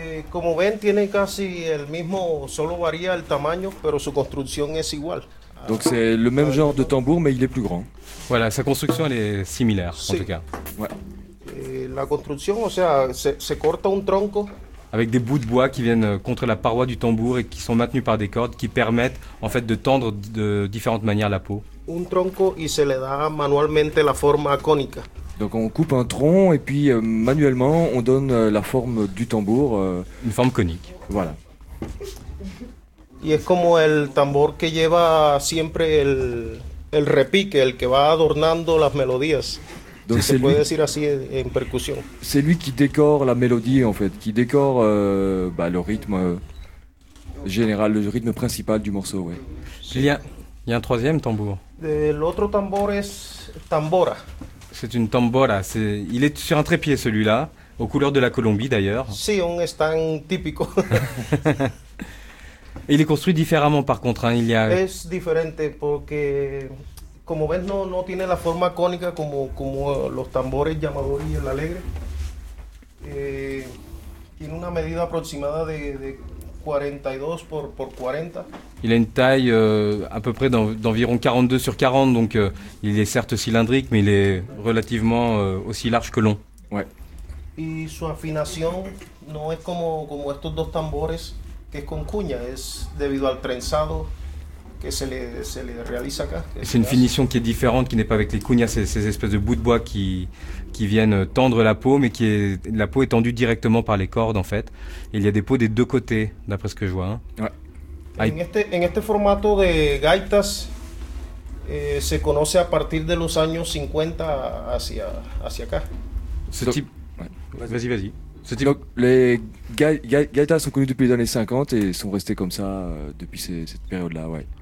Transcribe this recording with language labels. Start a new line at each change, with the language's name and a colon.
French: Comme vous voyez,
Spanish: tiene casi el mismo, solo varía el tamaño, pero su construcción es igual.
French: Donc c'est le même genre de tambour, mais il est plus grand. Voilà, sa construction elle est similaire,
Spanish: sí.
French: En tout cas. Ouais. La construction,
Spanish: o sea, se corta un tronco.
French: Avec des bouts de bois qui viennent contre la paroi du tambour et qui sont maintenus par des cordes qui permettent en fait de tendre de différentes manières la peau.
Spanish: Un tronco y se le da manualmente la forma cónica.
French: Donc on coupe un tronc et puis manuellement on donne la forme du tambour. Une forme conique. Voilà.
Spanish: Y es como el tambor que lleva siempre el repique, el que va adornando las melodías.
French: Donc
Spanish: si se puede decir así en percusión.
French: C'est lui qui décore la mélodie en fait, qui décore le rythme général, le rythme principal du morceau, ouais. Il y a un troisième tambour. L'autre tambour est tambora. C'est une tambora. Il est sur un trépied celui-là, aux couleurs de la Colombie d'ailleurs.
Spanish: Si, un stand típico.
French: Il est construit différemment par contre. Hein. Il y a.
Spanish: Es diferente porque. Como ves, no tiene la forma cónica como los tambores llamador y el alegre. Tiene una medida aproximada de 42 por 40.
French: Il a une taille à peu près d'environ 42 sur 40, donc il est certes cylindrique, mais il est relativement aussi large que long. Ouais.
Spanish: Y su afinación no es como estos dos tambores, que es con cuña, es debido al trenzado.
French: C'est une finition qui est différente, qui n'est pas avec les cuñas, ces espèces de bouts de bois qui viennent tendre la peau, mais la peau est tendue directement par les cordes en fait. Et il y a des peaux des deux côtés, d'après ce que je vois. Hein. Ouais.
Spanish: En este formato de gaitas, se conoce a partir de los años 50 hacia acá.
French: Ce type, Vas-y. Donc, les gaitas sont connues depuis les années 50 et sont restées comme ça depuis cette période-là, ouais.